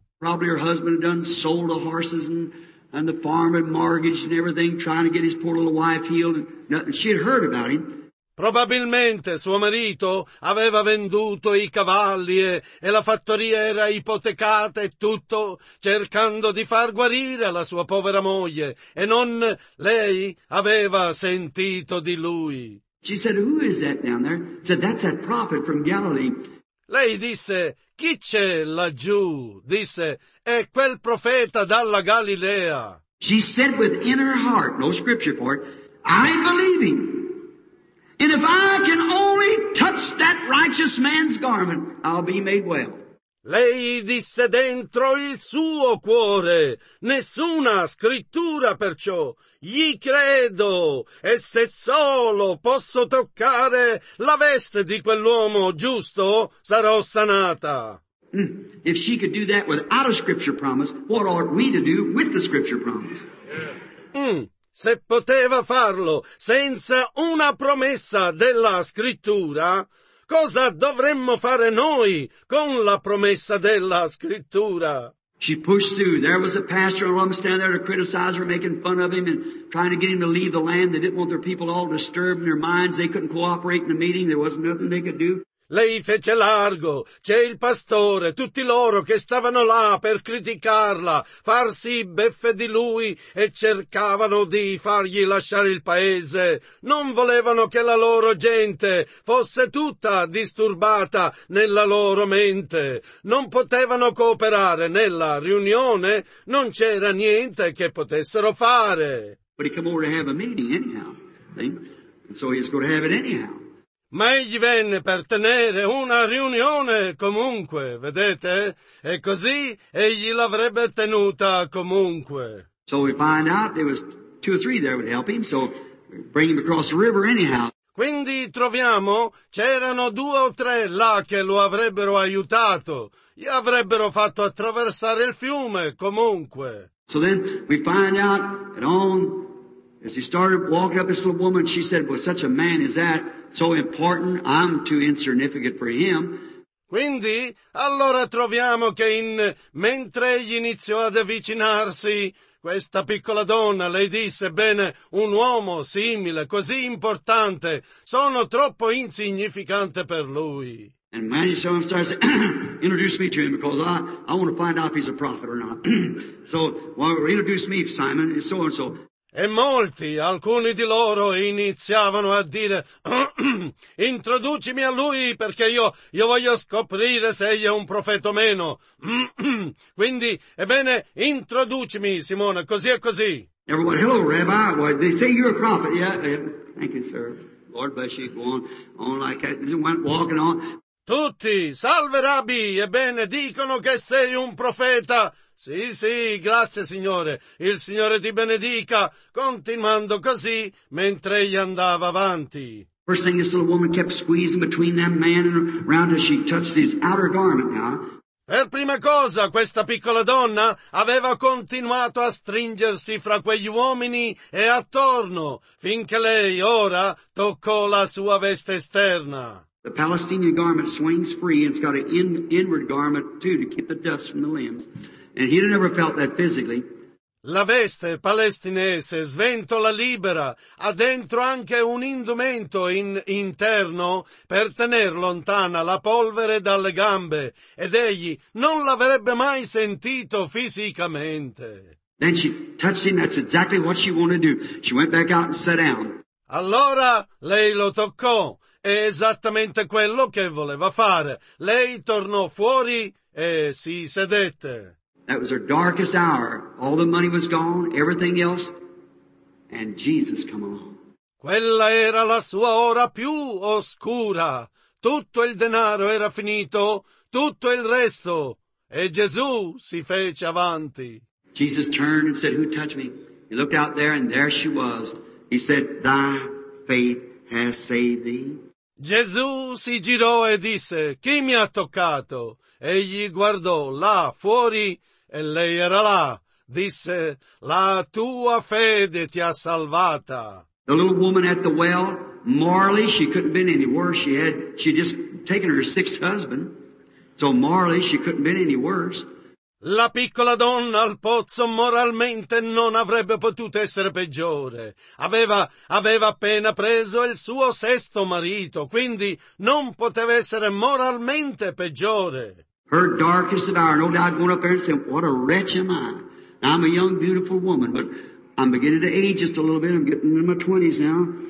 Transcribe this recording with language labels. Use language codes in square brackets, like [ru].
[en] Probably her husband had done sold the horses and the farm and mortgaged and everything, trying to get his poor little wife healed. Nothing. She had heard about him. [it] Probabilmente suo marito aveva venduto i cavalli e la fattoria era ipotecata e tutto, cercando di far guarire la sua povera moglie, e non lei aveva sentito di lui. [en] She said, who is that down there? Said, that's that prophet from Galilee. [it] Lei disse, chi c'è laggiù? Disse, è quel profeta dalla Galilea. [en] She said within her heart, no scripture for it, I believe him. And if I can only touch that righteous man's garment, I'll be made well. [it] Lei disse dentro il suo cuore, nessuna scrittura perciò, gli credo, e se solo posso toccare la veste di quell'uomo giusto, sarò sanata. [en] If she could do that without a scripture promise, what ought we to do with the scripture promise? Yeah. [it] Se poteva farlo senza una promessa della Scrittura, cosa dovremmo fare noi con la promessa della Scrittura? [en] She pushed through. There was a pastor and a lump standing there to criticize her, making fun of him and trying to get him to leave the land. They didn't want their people all disturbed in their minds. They couldn't cooperate in the meeting. There wasn't nothing they could do. [it] Lei fece largo, c'è il pastore, tutti loro che stavano là per criticarla, farsi beffe di lui e cercavano di fargli lasciare il paese. Non volevano che la loro gente fosse tutta disturbata nella loro mente. Non potevano cooperare nella riunione, non c'era niente che potessero fare. [en] But he came over to have a meeting anyhow, and so he's going to have it anyhow. [it] Ma egli venne per tenere una riunione comunque, vedete? E così egli l'avrebbe tenuta comunque. [en] So we find out there was two or three there would help him, so bring him across the river anyhow. [it] Quindi troviamo c'erano due o tre là che lo avrebbero aiutato, gli avrebbero fatto attraversare il fiume comunque. [en] So then we find out that on, as he started walking up this little woman, she said, "Well, such a man as that, so important, I'm too insignificant for him." [it] Quindi, allora troviamo che mentre egli iniziò ad avvicinarsi, questa piccola donna, lei disse, bene, un uomo simile, così importante, sono troppo insignificante per lui. [en] And Manny Sherman starts to introduce me to him because I want to find out if he's a prophet or not. So, well, introduce me, Simon, and so on so. [it] E molti, alcuni di loro, iniziavano a dire, introducimi a lui perché io voglio scoprire se egli è un profeta o meno. Quindi, ebbene, introducimi, Simone, così e così. [en] Everyone, hello, Rabbi. Well, they say you're a prophet. Yeah, thank you, sir. Lord bless you. Go on like that. Went walking on. [it] Tutti, salve, Rabbi. Ebbene, dicono che sei un profeta. Sì, sì, grazie Signore, il Signore ti benedica, continuando così mentre egli andava avanti. [en] First thing this little woman kept squeezing between that man and around her, she touched his outer garment now. [it] Per prima cosa, questa piccola donna aveva continuato a stringersi fra quegli uomini e attorno, finché lei ora toccò la sua veste esterna. [en] The Palestinian garment swings free and it's got an inward garment too to keep the dust from the limbs. And he never felt that physically. [it] La veste palestinese sventola libera, ha dentro anche un indumento interno per tener lontana la polvere dalle gambe, ed egli non l'avrebbe mai sentito fisicamente. [en] Then she touched him, that's exactly what she wanted to do. She went back out and sat down. [it] Allora lei lo toccò, è esattamente quello che voleva fare. Lei tornò fuori e si sedette. [en] That was her darkest hour. All the money was gone, everything else, and Jesus come along. [it] Quella era la sua ora più oscura. Tutto il denaro era finito, tutto il resto, e Gesù si fece avanti. [en] Jesus turned and said, "Who touched me?" He looked out there, and there she was. He said, "Thy faith has saved thee." [it] Gesù si girò e disse, "Chi mi ha toccato?" Egli guardò là fuori. E lei era là, disse, la tua fede ti ha salvata. [en] The little woman at the well, morally she couldn't been any worse. She had just taken her sixth husband, so morally she couldn't been any worse. [it] La piccola donna al pozzo moralmente non avrebbe potuto essere peggiore. Aveva appena preso il suo sesto marito, quindi non poteva essere moralmente peggiore. [en] Her darkest of hour, no doubt going up there and saying, "What a wretch am I. Now, I'm a young, beautiful woman, but I'm beginning to age just a little bit. I'm getting in my 20s now.